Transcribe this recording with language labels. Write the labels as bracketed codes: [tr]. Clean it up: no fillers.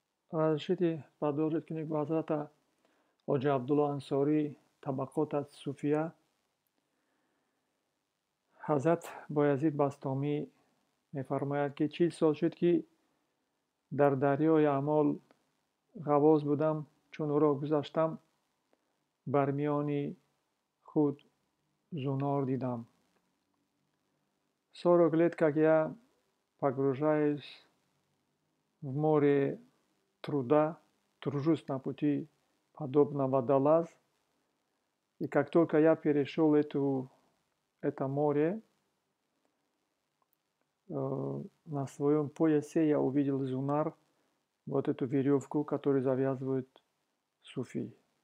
[ru] разрешите продолжить книгу Азрата Ходжа Абдулла Ансари «Табакот ас-Суфия». [tg] Хазрат Боязид Бастами мефармояд ки чил сол шуд ки дар дарёи аъмол ғавоз будам, чун ӯро гузаштам бар миёни худ зунор дидам. [ru] Сорок лет, как я погружаюсь в море труда, тружусь на пути, подобно водолаз. И как только я перешел это море, на своем поясе я увидел зунар, вот эту веревку, которую завязывают суфи.